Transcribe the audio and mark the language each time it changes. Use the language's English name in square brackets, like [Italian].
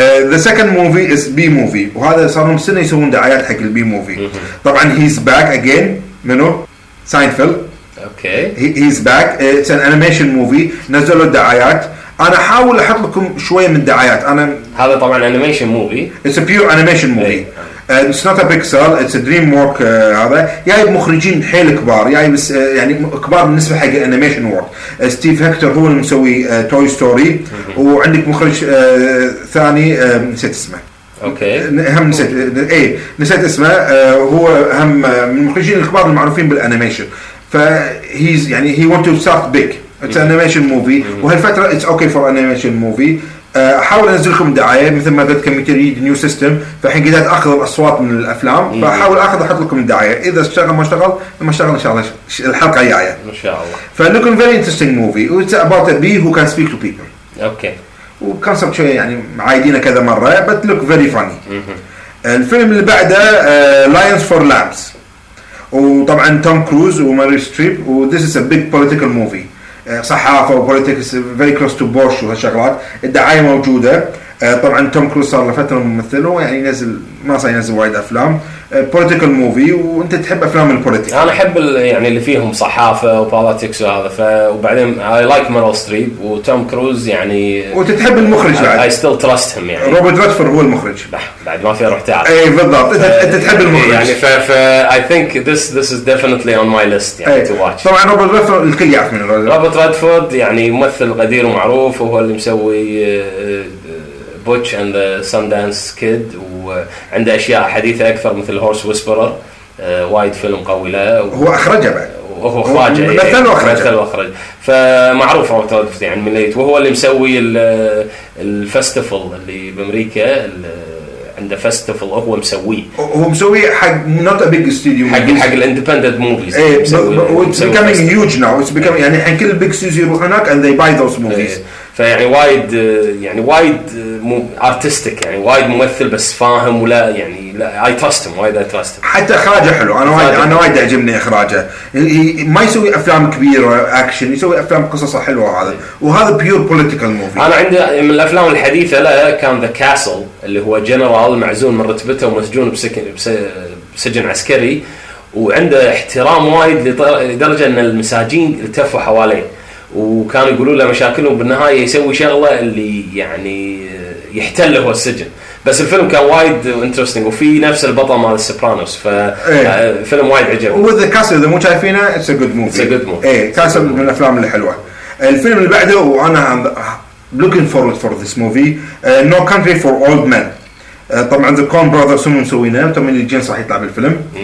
[English] The second movie is B movie [Arabic] وهذا صار لهم سنة يسوون دعايات حق البي موفي طبعا he's back again منو ساينفيلد [English] Okay. He's back. It's an animation movie. [Arabic] نزلوا الدعايات. أنا حاول أحط لكم شوية من الدعايات. أنا هذا طبعاً animation movie. [English] It's a pure animation movie. It's not a Pixar. It's a DreamWorks هذا. [Arabic] جايب مخرجين حيل كبار. جايب يعني كبار بالنسبة حق [English] animation world. [Arabic] ستيف هكتور هو اللي مسوي Toy Story. وعندك مخرج ثاني نسيت اسمه. أوكي. هم نسيت اسمه. هو هم من المخرجين الكبار المعروفين بالانيميشن. فهيز يعني [English] he want to start big it's an animation movie [Arabic] وهالفترة [English] it's okay for animation movie [Arabic] حاول أنزلكم دعاية مثل ما ذات كمبيوتر يجيب [English] new system [Arabic] فحين قدرت أخذ الأصوات من الأفلام فحاول أخذ أحط لكم الدعاية إذا اشتغل ما اشتغل إن شاء الله الحلقة جاية إن شاء الله [English] فلكم very interesting movie it's about a bee who can speak to people [Arabic] أوكي وconcept شوية يعني عايدينه كذا مرة [English] but look very funny [Arabic] الفيلم اللي بعده lions for lambs وطبعا توم كروز وماري ستريب و [English] this is a big political movie [Arabic] صحافة و politics very close to Bush و هالشغلات الدعاية موجودة طبعا توم كروز صار لفترة ممثله يعني ينزل ما صار ينزل وايد أفلام [English] political movie [Arabic] وانت تحب أفلام البوليتيك أنا أحب يعني اللي فيهم صحافة و politics وهذا وبعدين [English] I like [Arabic] ماري ستريب و توم كروز يعني وتتحب المخرج بعد [English] I still trust him يعني [Arabic] روبرت ريدفورد هو المخرج بعد ما في روح تعال اي بالضبط انت تحب المخرج [English] يعني ف I think this is definitely on my list يعني to watch [Arabic] طبعا روبرت ريدفورد الكل يعرف من روبرت ريدفورد يعني ممثل قدير ومعروف وهو اللي مسوي Butch and the Sundance Kid وعنده أشياء حديثة أكثر مثل Horse Whisperer وايد فيلم قوي له هو أخرجه بعد وهو خواجة مثل وأخرجه وأخرج فمعروف روبرت ريدفورد يعني من ليت وهو اللي مسوي الفستيفال اللي بأمريكا عنده فستيفال هو مسويه. هو مسويه حق [English] not a big studio. [Arabic] حق الاندبندنت موفيز. إيه مسويه. [English] It's becoming huge now. It's becoming [Arabic] يعني الحين كل [English] big studios [Arabic] يروح هناك [English] and they buy those movies. [Arabic] فيعني وايد يعني وايد مو artistic يعني وايد ممثل بس فاهم ولا يعني لا [English] I trust him. وايد I trust him. [Arabic] حتى إخراجه حلو. أنا وايد عجبني إخراجه. ما يسوي أفلام كبيرة أكشن, يسوي أفلام قصصة حلوة هذا. [English] وهذا pure political movie. [Arabic] أنا عندي من الأفلام الحديثة لا كان The Castle اللي هو جنرال معزول من رتبته ومسجون بسجن عسكري وعنده احترام وايد لدرجة أن المساجين التفوا حواليه وكانوا يقولوا له مشاكله وبالنهاية يسوي شغلة اللي يعني يحتله هو السجن. بس الفيلم كان وايد انترستينج وفي نفس البطل مال السوبرانوس ففيلم وايد عجبني. وذا كاسل إذا مو شايفينه [English] it's a good movie. It's a good movie. [Arabic] إيه كاسل من الأفلام الحلوة. الفيلم اللي بعده وأنا [English] looking forward for this movie [Arabic] No Country for Old Men. طبعًا The Coen Brothers هم مسوينه وتمين الجين صح يطلع بالفيلم.